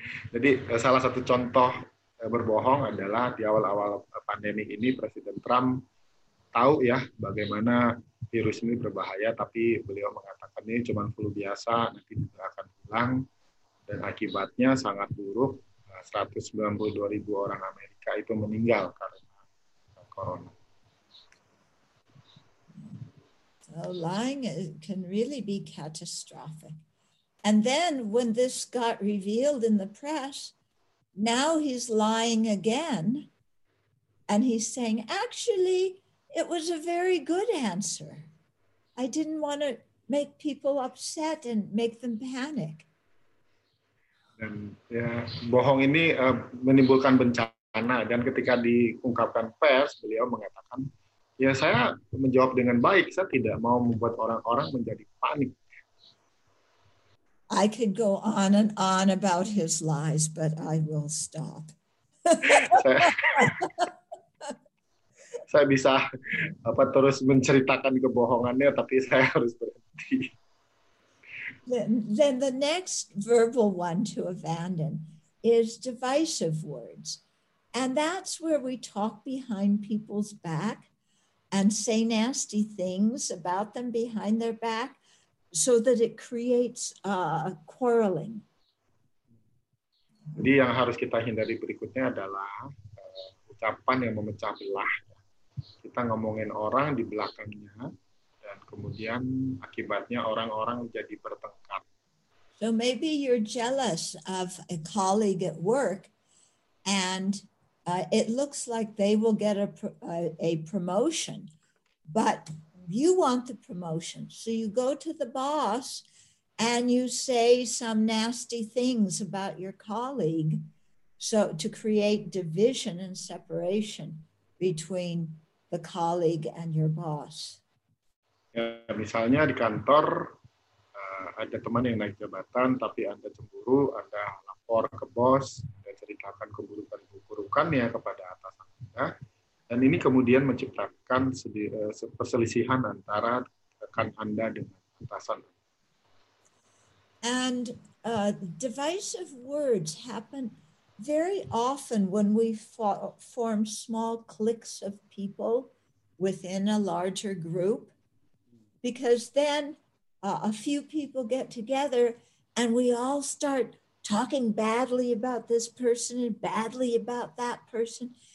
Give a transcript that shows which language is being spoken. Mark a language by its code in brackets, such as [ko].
[id] Jadi salah satu contoh berbohong adalah di awal-awal pandemi ini Presiden Trump tahu ya bagaimana virus ini berbahaya, tapi beliau mengatakan ini cuma flu biasa, nanti juga akan hilang, dan akibatnya sangat buruk, 192 ribu orang Amerika itu meninggal karena corona. [en] Well, lying can really be catastrophic. And then when this got revealed in the press, now he's lying again, and he's saying, actually, it was a very good answer. I didn't want to make people upset and make them panic. [id] Dan ya, bohong ini menimbulkan bencana. Dan ketika diungkapkan pers, beliau mengatakan, ya saya menjawab dengan baik. Saya tidak mau membuat orang-orang menjadi panik. [en] I could go on and on about his lies, but I will stop. [id] Saya bisa apa terus menceritakan kebohongannya, tapi saya harus berhenti. [en] Then the next verbal one to abandon is divisive words. And that's where we talk behind people's back and say nasty things about them behind their back so that it creates quarreling. [id] Jadi yang harus kita hindari berikutnya adalah ucapan yang memecah belah. Kita ngomongin orang di belakangnya, dan kemudian akibatnya orang-orang jadi bertengkar. [en] So maybe you're jealous of a colleague at work, and it looks like they will get a promotion, but you want the promotion. So you go to the boss, and you say some nasty things about your colleague, so to create division and separation between the colleague and your boss. [id] Ya, misalnya di kantor ada teman yang naik jabatan, tapi Anda cemburu, Anda lapor ke bos, Anda ceritakan keburukan-keburukannya kepada atasan Anda, dan ini kemudian menciptakan perselisihan antara rekan Anda dengan atasan. [en] And divisive words happen very often when we form small cliques of people within a larger group, because then a few people get together and we all start talking badly about this person and badly about that person.